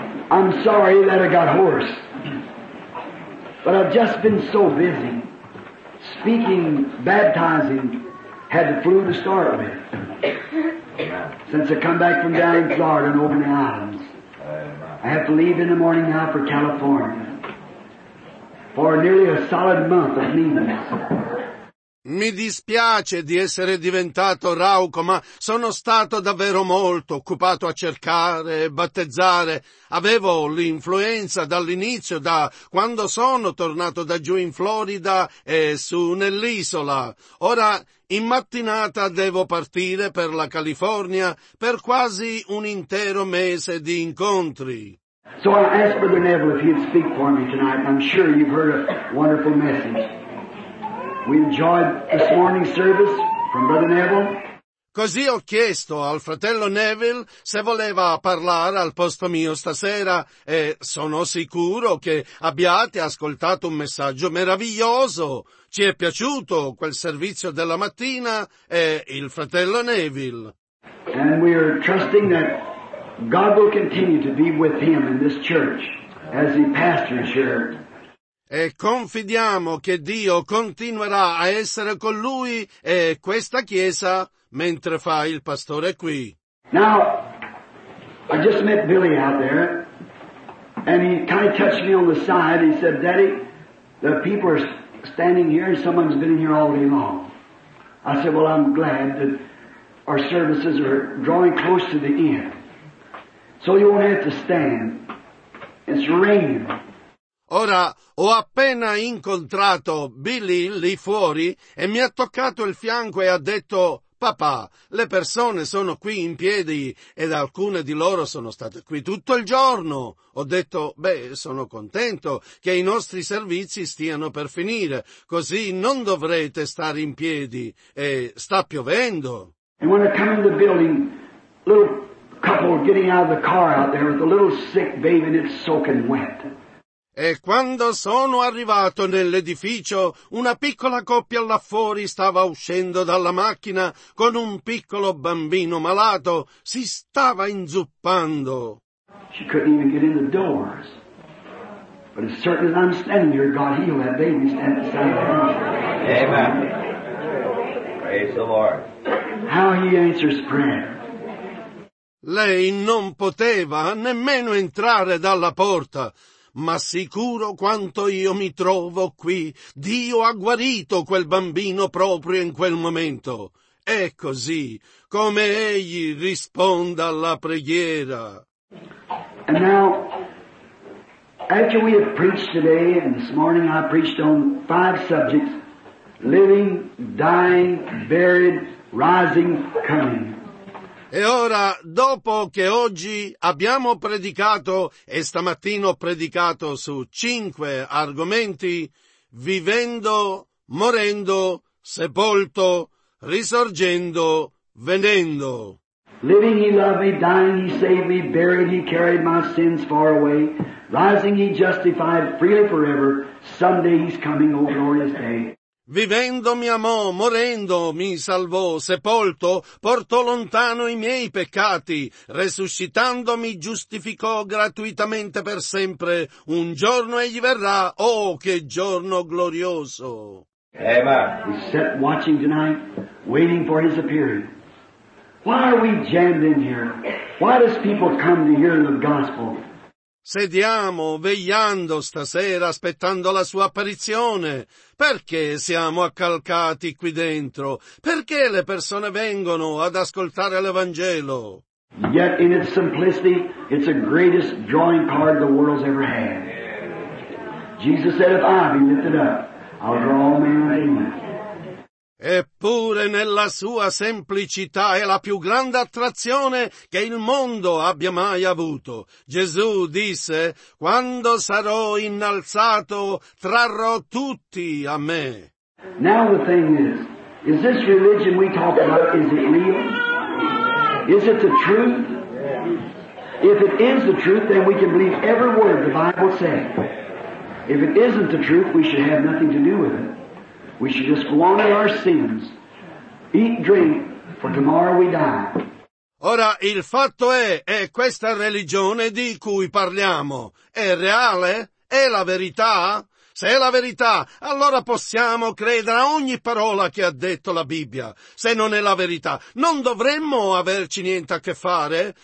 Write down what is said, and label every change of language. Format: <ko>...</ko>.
<en>I'm sorry that I got hoarse, but I've just been so busy speaking, baptizing, had the flu to start with, since I come back from down in Florida and over in the islands. I have to leave in the morning now for California, for nearly a solid month of meanness.</en> <it>Mi dispiace di essere diventato rauco, ma sono stato davvero molto occupato a cercare e battezzare. Avevo l'influenza dall'inizio, da quando sono tornato da giù in Florida e su nell'isola. Ora, in mattinata, devo partire per la California per quasi un intero mese di incontri.</it> <en>So I asked Brother Neville if he'd speak for me tonight. I'm sure you've heard a wonderful message. We enjoyed this morning service from Brother Neville.</en> <it>Così ho chiesto al fratello Neville se voleva parlare al posto mio stasera, e sono sicuro che abbiate ascoltato un messaggio meraviglioso. Ci è piaciuto quel servizio della mattina e il fratello Neville.</it> <en>And we are trusting that God will continue to be with him in this church as he pastors here.</en> <it>E confidiamo che Dio continuerà a essere con lui e questa chiesa mentre fa il pastore qui.</it> <en>Now, I just met Billy out there, and he kind of touched me on the side. He said, "Daddy, the people are standing here, and someone's been here all day long." I said, "Well, I'm glad that our services are drawing close to the end, so you won't have to stand. It's raining."</en> <it>Ora, ho appena incontrato Billy lì fuori e mi ha toccato il fianco e ha detto: "Papà, le persone sono qui in piedi ed alcune di loro sono state qui tutto il giorno." Ho detto: "Beh, sono contento che i nostri servizi stiano per finire, così non dovrete stare in piedi, e sta piovendo." E quando entro nel</it> <en>building, little couple getting out of the car out there with a little sick baby and it's soaking wet.</en> <it>E quando sono arrivato nell'edificio, una piccola coppia là fuori stava uscendo dalla macchina con un piccolo bambino malato. Si stava inzuppando.</it> <en>She couldn't even get in the doors. But as certain as I'm standing here, God heal that baby stand beside her. Amen. Praise the Lord. How he answers prayer.</en> <it>Lei non poteva nemmeno entrare dalla porta. Ma sicuro quanto io mi trovo qui, Dio ha guarito quel bambino proprio in quel momento. È così come egli risponda alla preghiera.</it> <en>And now, After we have preached today, and this morning I preached on five subjects: living, dying, buried, rising, coming.</en> <it>E ora, dopo che oggi abbiamo predicato e stamattina ho predicato su cinque argomenti: vivendo, morendo, sepolto, risorgendo, venendo.</it> <en>Living he loved me, dying he saved me, buried he carried my sins far away, rising he justified freely forever, someday he's coming, oh glorious day.</en> <it>Vivendo mi amò, morendo mi salvò, sepolto portò lontano i miei peccati, resuscitando mi giustificò gratuitamente per sempre, un giorno egli verrà, oh che giorno glorioso.</it> <en>Amen. We sat watching tonight, waiting for his appearing. Why are we jammed in here? Why does people come to hear the gospel?</en> <it>Sediamo, vegliando stasera, aspettando la sua apparizione. Perché siamo accalcati qui dentro? Perché le persone vengono ad ascoltare l'Evangelo?</it> <en>Yet in its simplicity, it's the greatest drawing card the world's ever had. Jesus said, if I be lifted up, I'll draw all men unto me.</en> <it>Eppure nella sua semplicità è la più grande attrazione che il mondo abbia mai avuto. Gesù disse, quando sarò innalzato, trarrò tutti a me.</it> <en>Now the thing is this religion we talk about, is it real? Is it the truth? If it is the truth, then we can believe every word the Bible says. If it isn't the truth, we should have nothing to do with it. We should just go on in our sins, eat, drink, for tomorrow we die.</en> <it>Ora, il fatto è questa religione di cui parliamo, è reale? È la verità? Se è la verità, allora possiamo credere a ogni parola che ha detto la Bibbia. Se non è la verità, non dovremmo averci niente a che fare?</it>